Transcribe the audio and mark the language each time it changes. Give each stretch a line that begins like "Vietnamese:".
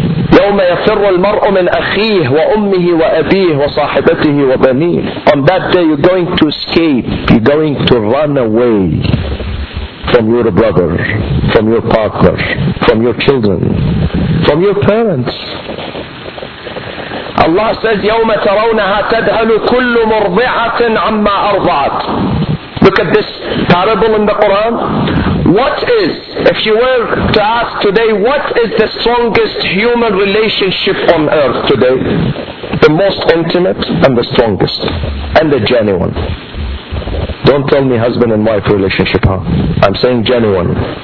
Arabic: يَوْمَ يَفِرُّ الْمَرْءُ مِنْ أَخِيهِ وَأُمِّهِ وَأَبِيهِ وَصَاحِبَتِهِ وَبَنِيهِ.
English: On that day, you're going to escape. You're going to run away from your brother, from your partner, from your children, from your parents. Allah says,
Arabic: يَوْمَ تَرَوْنَهَا تَدْهَلُ كُلُّ مُرْضِعَةٍ عَمَّا أَرْضَعَتْ.
English: Look at this parable in the Quran. What is, if you were to ask today, what is the strongest human relationship on earth today? The most intimate and the strongest and the genuine. Don't tell me husband and wife relationship, huh? I'm saying genuine.